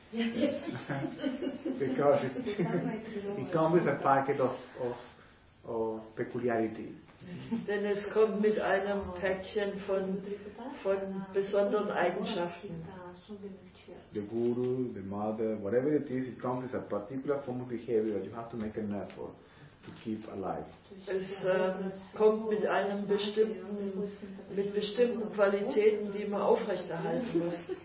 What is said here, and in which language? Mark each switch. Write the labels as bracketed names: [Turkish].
[English] Because it comes with a packet of peculiarity. [German] Denn es kommt mit einem Päckchen von besonderen Eigenschaften. [English] The guru, the mother, whatever it is, it comes with a particular form of behavior that you have to make an effort to keep alive. [German] Es kommt mit einem bestimmten Qualitäten, die man aufrechterhalten muss.